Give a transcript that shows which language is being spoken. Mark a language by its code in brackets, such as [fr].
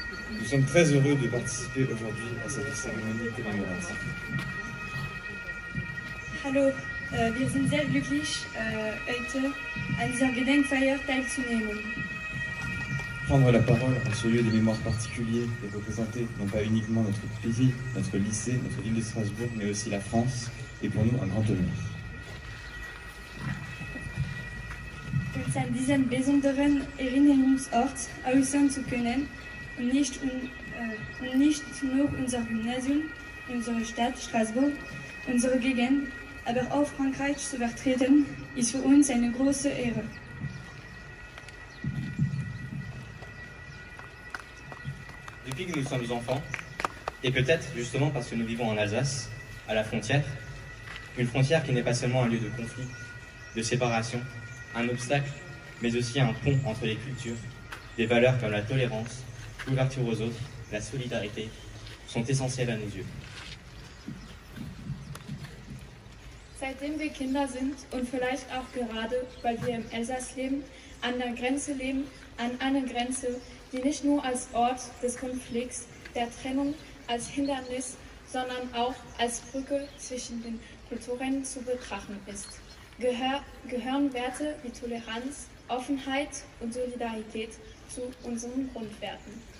[fr] Nous sommes très heureux de participer aujourd'hui à cette cérémonie commémorative. [de] Hallo, wir sind sehr glücklich heute an dieser Gedenkfeier teilzunehmen. [fr] Prendre la parole en ce lieu de mémoire particulier et représenter non pas uniquement notre pays, notre lycée, notre ville de Strasbourg, mais aussi la France, est pour nous un grand honneur. [de] Uns an diesen besonderen Erinnerungsort äußern zu können, und nicht nur unser Gymnasium, unsere Stadt Strasbourg, unsere Gegend, aber auch Frankreich zu vertreten, ist für uns eine große Ehre. [fr] Depuis que nous sommes enfants, et peut-être justement parce que nous vivons en Alsace, à la frontière, une frontière qui n'est pas seulement un lieu de conflit, de séparation, un obstacle, mais aussi un pont entre les cultures, des valeurs comme la tolérance, l'ouverture aux autres, la solidarité, sont essentielles à nos yeux. [de] Seitdem wir Kinder sind und vielleicht auch gerade, weil wir im Elsass leben, an einer Grenze, die nicht nur als Ort des Konflikts, der Trennung, als Hindernis, sondern auch als Brücke zwischen den Kulturen zu betrachten ist, gehören Werte wie Toleranz, Offenheit und Solidarität zu unseren Grundwerten.